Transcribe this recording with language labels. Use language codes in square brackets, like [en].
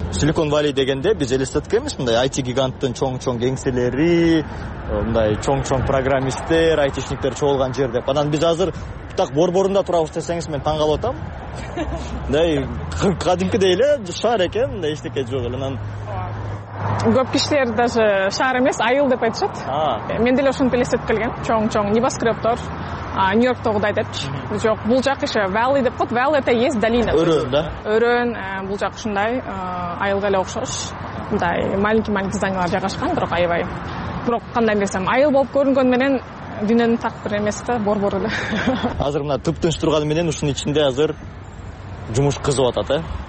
[ky] Silicon Valley дегенде биз элестеткенбиз мындай IT гиганттын чоң-чоң кеңселери, мындай чоң-чоң программисттер, айтишниктер чогулган жер деп. Анан биз азыр так борборунда турабыз десеңиз мен таң калып атам. Мындай кадимкидей эле шаар экен, мындай эчтеке жок эле. Анан көп кишилер даже шаар эмес, айыл деп айтышат. Мен деле ошентип элестетип келген. Чоң-чоң небоскребтор, Нью-Йорктогудай депчи. Жок, бул жак иши Valley деп коет. Valley [ru] это есть долина. [ky] Өрөөн да. Өрөөн, бул жак ушундай, айылга эле окшош. Мындай [ru] маленький-маленький [ky] зданиялар жайгашкан, бирок аябай. Бирок кандай берсем, айыл болуп көрүнгөн менен дүйнөнүн так бир эмес да, борбор эле. Азыр мына тыптынч турганы менен ушунун ичинде азыр жумуш кызып атат, э?